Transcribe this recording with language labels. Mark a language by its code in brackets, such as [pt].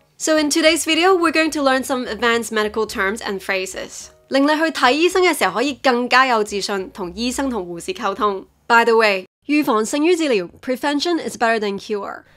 [en] So in today's video, we're going to learn some advanced medical terms and phrases. [yue] 令你去睇醫生嘅時候可以更加有自信同醫生同護士溝通。 [en] By the way, [yue] 預防勝於治療 [en] ,prevention is better than cure.